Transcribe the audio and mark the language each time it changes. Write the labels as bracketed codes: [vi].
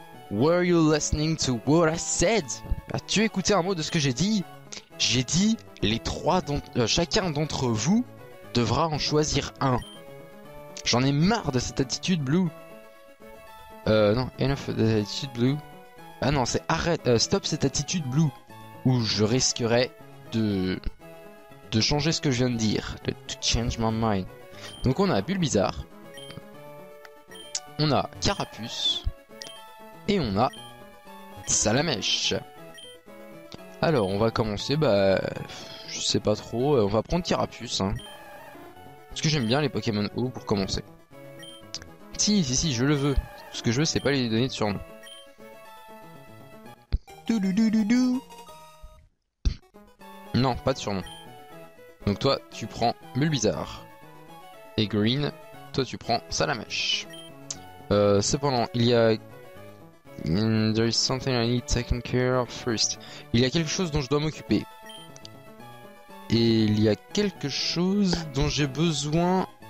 [en] Were you listening to what I said? [fr] As-tu écouté un mot de ce que j'ai dit? J'ai dit les trois dont chacun d'entre vous devra en choisir un. J'en ai marre de cette attitude, Blue. [en] Non, enough of the attitude, Blue. [fr] Ah non, c'est arrête, stop cette attitude, Blue. Ou je risquerais de changer ce que je viens de dire. [en] To change my mind. [fr] Donc on a Bulbizarre. On a Carapuce. Et on a Salamèche. Alors, on va commencer, je sais pas trop, on va prendre Carapuce, hein. Parce que j'aime bien les Pokémon O pour commencer. Si, je le veux. Ce que je veux, c'est pas les données de surnom. Non, pas de surnom. Donc toi, tu prends Bulbizarre. Et Green, toi tu prends Salamèche. Cependant, il y a... [en] There is something I need taken care of first. [fr] Il y a quelque chose dont je dois m'occuper. Et il y a quelque chose dont j'ai besoin.